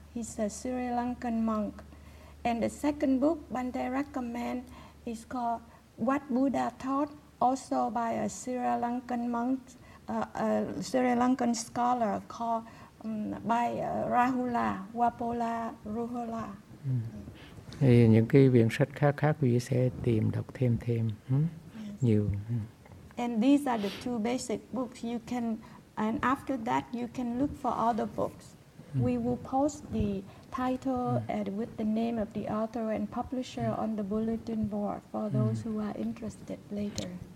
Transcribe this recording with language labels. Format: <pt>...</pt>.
<en>He's a Sri Lankan monk. And the second book Bhante recommend is called What Buddha Thought, also by a Sri Lankan monk, a Sri Lankan scholar called by Rahula, Wapola Ruhula.</en> <vi>Thì những cái quyển sách khác quý vị sẽ tìm đọc thêm nhiều.</vi> <en>And these are the two basic books you can, and after that you can look for other books. We will post the title and with the name of the author and publisher on the bulletin board for those who are interested later.</en>